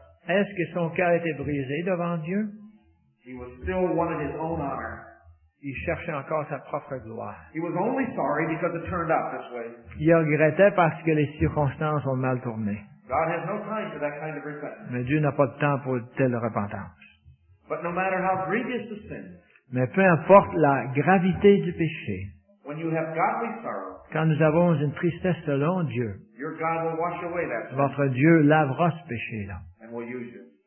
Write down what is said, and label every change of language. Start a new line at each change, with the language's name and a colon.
French: Est-ce que son cœur était brisé devant Dieu?
English: He was still one of his own honor.
French: Il cherchait encore sa propre gloire.
English: He was only sorry because it turned out this way.
French: Il regrettait parce que les circonstances ont mal tourné.
English: God has no time for that kind of repentance.
French: Mais Dieu n'a pas de temps pour telle repentance.
English: But no matter how grievous the sin,
French: mais peu importe la gravité du péché,
English: when you have godly sorrow,
French: quand nous avons une tristesse selon Dieu,
English: your God will wash away that sin.
French: Votre Dieu lavera ce péché-là.
English: And will use you.